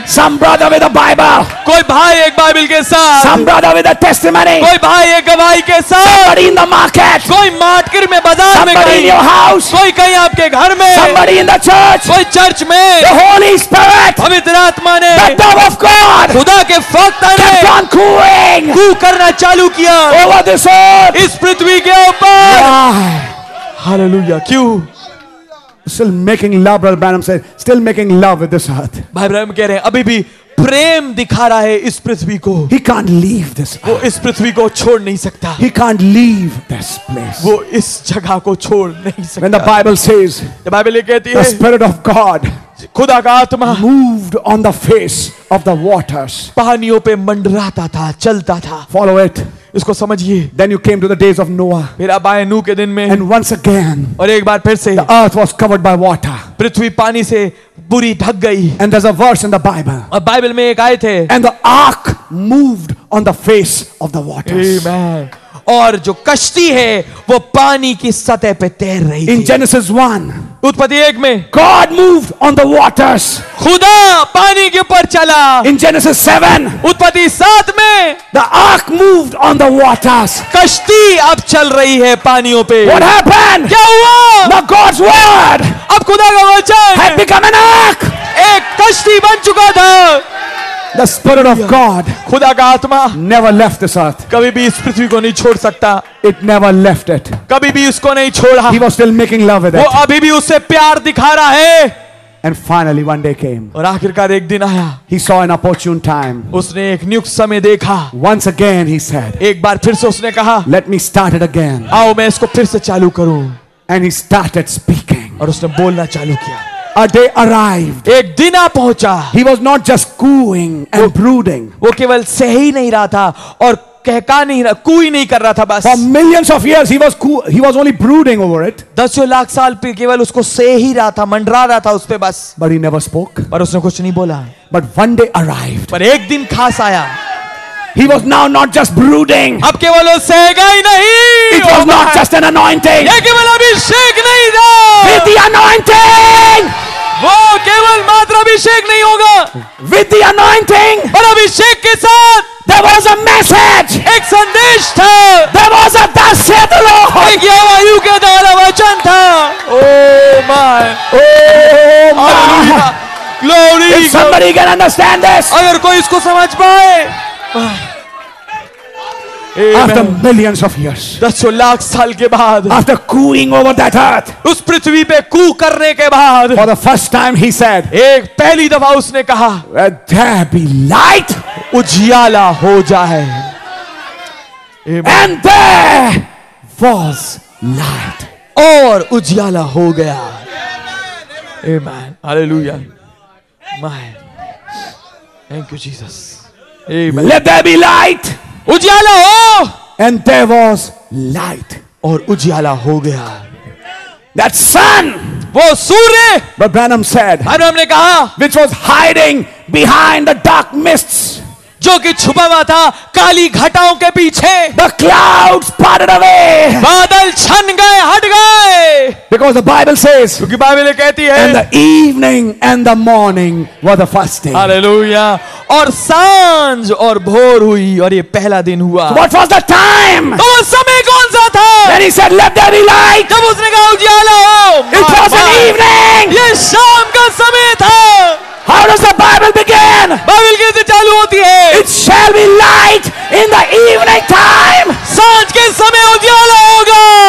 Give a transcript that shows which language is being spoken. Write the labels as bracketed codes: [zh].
[en] some brother with a Bible, [hi] कोई भाई एक बाइबल के साथ, [en] some brother with a testimony, [hi] कोई भाई एक गवाही के साथ, [en] somebody in the market, [hi] कोई मार्केट में, बाजार में, [en] somebody in your house, [hi] कोई कहीं आपके घर में, [en] somebody in the church, [hi] कोई चर्च में, [en] the Holy Spirit, [hi] पवित्र आत्मा ने, [en] the dove of God, [hi] खुदा के फक्त ने, [en] kept on cooing, [hi] कू करना चालू किया, [en] over this earth, [hi] इस पृथ्वी के ऊपर, hallelujah, क्यों? [en] Still making love, Brother Branham said, still making love with this earth. [hi] भाई ब्रह्म कह रहे हैं, अभी भी प्रेम दिखा रहा है इस पृथ्वी को. [en] He can't leave this. [hi] वो इस पृथ्वी को छोड़ नहीं सकता. [en] He can't leave this place. [hi] वो इस जगह को छोड़ नहीं सकता. [en] When the Bible says, [hi] the Bible कहती है, [en] the Spirit of God, [hi] खुदा का आत्मा, [en] moved on the face of the waters, [hi] पानियों पे मंडराता था, चलता था. [en] Follow it. [hi] इसको समझिए. [en] Then you came to the days of Noah. [hi] फिर आप आए नूह के दिन में. [en] And once again, [hi] और एक बार फिर से, [en] the earth was covered by water. [hi] पृथ्वी पानी से पूरी ढक गई. [en] And there's a verse in the Bible. [hi] और बाइबल में एक आए थे. [en] And the ark moved on the face of the waters. Amen. [hi] और जो कश्ती है वो पानी की सतह पे तैर रही थी. [en] In Genesis 1, [hi] उत्पत्ति एक में, [en] God moved on the waters. [hi] खुदा पानी के ऊपर चला. [en] In Genesis 7, [hi] उत्पत्ति सात में, [en] the ark moved on the waters. [hi] कश्ती अब चल रही है पानियों पे. [en] What happened? [hi] क्या हुआ? [en] The God's word, [hi] अब खुदा का वचन, [en] had become an ark. [hi] एक कश्ती बन चुका था. [en] The Spirit of God, [hi] खुदा का आत्मा, [en] never left this earth. [hi] कभी भी इस पृथ्वी को नहीं छोड़ सकता. [en] It never left it. [hi] कभी भी उसको नहीं छोड़ा. [en] He was still making love with [hi] वो [en] it. [hi] वो अभी भी उससे प्यार दिखा रहा है. [en] And finally, one day came. [hi] और आखिरकार एक दिन आया. [en] He saw an opportune time. [hi] उसने एक नियुक्त समय देखा. [en] Once again, he said, [hi] एक बार फिर से उसने कहा, [en] Let me start it again. [hi] आओ मैं इसको फिर से चालू करूं. [en] And he started speaking. [hi] और उसने बोलना चालू किया. [en] A day arrived. [hi] एक दिन आ पहुंचा. [en] He was not just cooing and brooding. [hi] वो केवल सही नहीं रहा था और कहका नहीं रहा, कू ही नहीं कर रहा था बस. [en] For millions of years, he was only brooding over it. [hi] दसों लाख साल पे केवल उसको सही रहा था, मंडरा रहा था उसपे बस. [en] But he never spoke. [hi] पर उसने कुछ नहीं बोला. [en] But one day arrived. [hi] पर एक दिन खास आया. [en] He was now not just brooding. [hi] अब केवल वो सहेगा ही नहीं. [en] It was not just an anointing. [hi] ये केवल अभिषेक नहीं था. [en] With the anointing. [hi] वो केवल मात्र अभिषेक नहीं होगा. [en] With the anointing. [hi] और अभिषेक के साथ. [en] There was a message. [hi] एक संदेश था. [en] There was a thus saith the Lord. [hi] एक यहोवायु के द्वारा वचन था. [en] Oh my. Hallelujah. Glory. If somebody can understand this. [hi] अगर कोई इसको समझ पाए. [en] After millions of years, [hi] दसों लाख साल के बाद, [en] after cooing over that earth, [hi] उस पृथ्वी पे कू करने के बाद, [en] for the first time he said, [hi] एक पहली दफा उसने कहा, [en] there be light, [hi] उजियाला हो जाए, [en] and there was [hi] लाइट और उजियाला हो गया. आमेन. Hallelujah. [en] My thank you Jesus. Amen. Let there be light. [hi] उजियाला हो. [en] And there was light. [hi] और उजियाला हो गया. [en] That sun. [hi] वो सूर्य. [en] But Branham said, [hi] Branham ने कहा, [en] which was hiding behind the dark mists, [hi] जो कि छुपा हुआ था काली घटाओं के पीछे. [en] The clouds parted away, [hi] बादल छन गए, हट गए. [en] Because the Bible says, [hi] क्योंकि बाइबल कहती है, [en] and the evening and the morning were the first day. Hallelujah. [hi] और सांझ और भोर हुई और ये पहला दिन हुआ. [en] What was the time? [hi] तो समय कौन सा था? [en] Then he said, let there be light. [hi] जब उसने कहा उजियाला हो. [en] It was an evening. [hi] ये शाम का समय था. [en] How does the Bible begin? [hi] Bible कैसे चालू होती है? [en] It shall be light in the evening time. [hi] सांझ के समय उजियाला होगा.